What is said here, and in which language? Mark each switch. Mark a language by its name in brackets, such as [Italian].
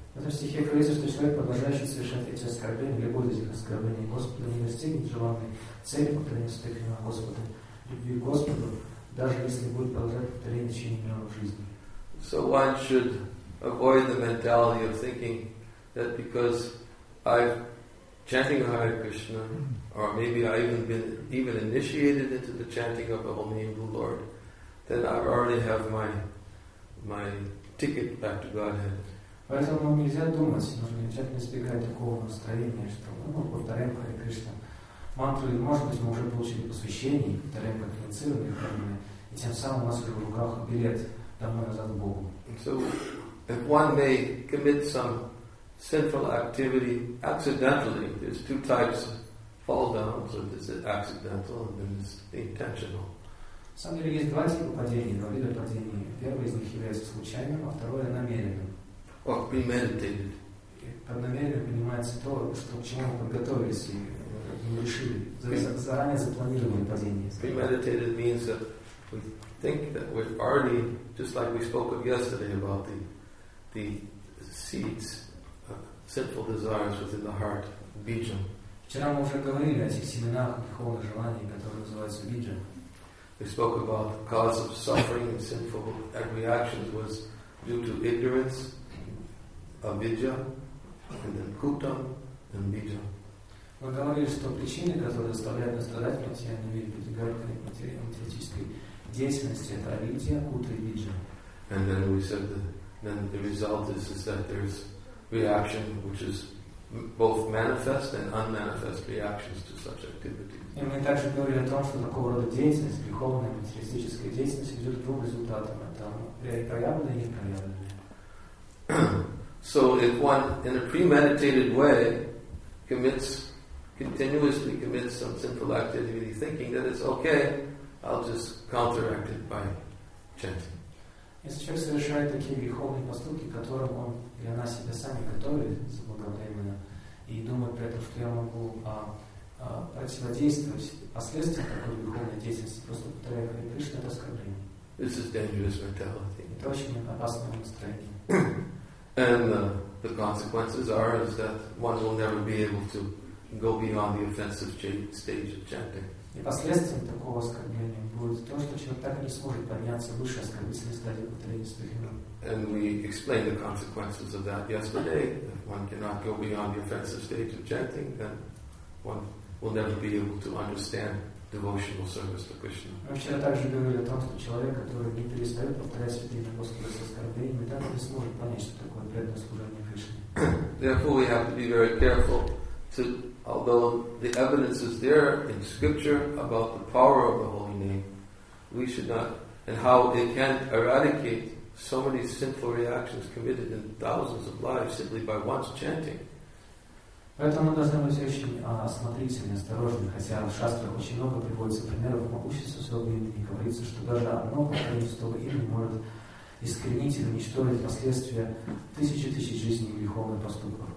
[Russian] Это стихи говорится, что человек, продолжающий совершать эти оскорбления, любое из этих оскорблений Господа, не достигнет желанной цели повторения святых имен Господа, любви к Господу, даже если будет продолжать повторение в течение миллионов жизней. [English] So one should avoid the mentality of thinking that because I've chanting Hare Krishna, or maybe I even initiated into the chanting of the holy name of the Lord, then I already have my ticket back to Godhead. [Russian] Поэтому нельзя думать, нужно тщательно избегать такого настроения, что мы повторяем Хари Кришна мантру, и может быть мы уже получили посвящение, повторяем конфиденцированные храмы, и тем самым у нас уже в руках билет домой назад к Богу. [English] So if one may commit some sinful activity accidentally, there's two types of fall downs, or is it accidental and then it's intentional. [Russian] На самом деле есть два типа падений, два вида падений. Первый из них является случайным, а второе намеренным. [English] Or premeditated. [Russian] Под намерением понимается то, что к чему мы подготовились и мы решили. Заранее запланированное падение. [English] Premeditated means that we think that we've already, just like we spoke of yesterday about the seeds, sinful desires within the heart, bijam. [Russian] Вчера мы уже говорили о этих семенах духовных желаний, которые называются bijam. [English] We spoke about the cause of suffering and sinful reactions was due to ignorance, avidya, and then kutam, and bijam. [Russian] Мы говорили, что причины, которые заставляют нас страдать в материальном мире, категорической материалистической деятельности, это авидья, кута и bijam. [English] And then we said that then the result is that there's reaction which is both manifest and unmanifest reactions to such activities. [Russian] И мы также говорили о том, что такого рода деятельность, греховная материалистическая деятельность, ведет к двум результатам. Это проявленное и непроявленное. [English] So if one in a premeditated way continuously commits some sinful activity thinking that it's okay, I'll just counteract it by chanting. [Russian] Если человек совершает такие греховные поступки, к которым он или она себя сами готовит заблаговременно, и думает при этом, что я могу противодействовать последствиям такой греховной деятельности, просто повторяя Хари Кришна, это оскорбление. [English] This is dangerous mentality. [Russian] Это очень опасное настроение. [English] And the consequences are is that one will never be able to go beyond the offensive stage of chanting. [Russian] И последствием такого оскорбления будет то, что человек так и не сможет подняться выше оскорбительной стадии повторения своих имен. [English] And we explained the consequences of that yesterday. If one cannot go beyond the offensive stage of chanting, then one will never be able to understand devotional service to Krishna. [Russian] Мы вчера также говорили о том, что человек, который не перестает повторять святые имена Господа с оскорблениями, так и не сможет понять, что такое преданное служение Кришне. [English] Therefore, we have to be very careful although the evidence is there in scripture about the power of the holy name, we should not, and how it can eradicate so many sinful reactions committed in thousands of lives simply by once chanting. [Russian] Поэтому должны быть очень осмотрительны, осторожны, хотя в шастрах очень много приводится примеров могущества своего имени, и говорится, что даже одно повторение святого имени может искоренить или уничтожить последствия тысячи тысяч жизней и греховных поступков.